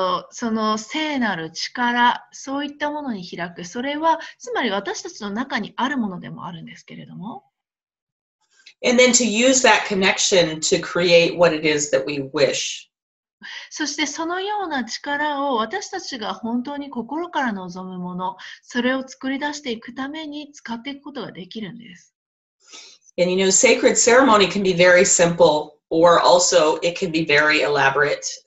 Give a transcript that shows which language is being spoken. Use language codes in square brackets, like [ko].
[ja] その聖なる力、そういったものに開く。それはつまり私たちの中にあるものでもあるんですけれども。 [en] And then to use that connection to create what it is that we wish. [ja] そしてそのような力を私たちが本当に心から望むもの、それを作り出していくために使っていくことができるんです。 [en] And you know, sacred ceremony can be very simple, or also it can be very elaborate.